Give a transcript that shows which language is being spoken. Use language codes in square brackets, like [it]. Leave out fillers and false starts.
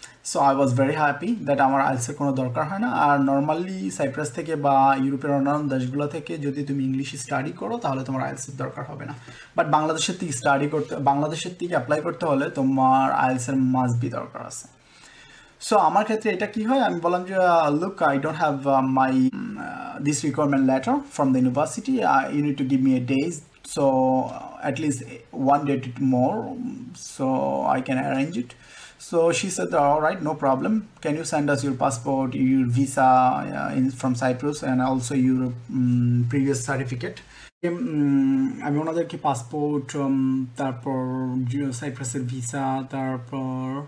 [en] so I was very happy that [bn] আমার আইলসের কোনো দরকার হয় না। আর নর্মালি সাইপ্রাস থেকে বা ইউরোপের অন্যান্য দেশগুলো থেকে যদি তুমি ইংলিশে স্টাডি করো তাহলে তোমার আইলসের দরকার হবে না, বাট বাংলাদেশের থেকে স্টাডি করতে, বাংলাদেশের থেকে অ্যাপ্লাই করতে হলে তোমার আইলসের মাস্ট বি দরকার আছে। সো আমার ক্ষেত্রে এটা কী হয়, আমি বললাম যে [en] Look, I don't have my this requirement letter from the university, you need to give me a days, so at least one day two more, so I can arrange it. So she said, all right, no problem. Can you send us your passport, your visa in from Cyprus and also your previous certificate? [bn] আমি ওনাদেরকে passport, তারপর সাইপ্রাসের visa, তারপর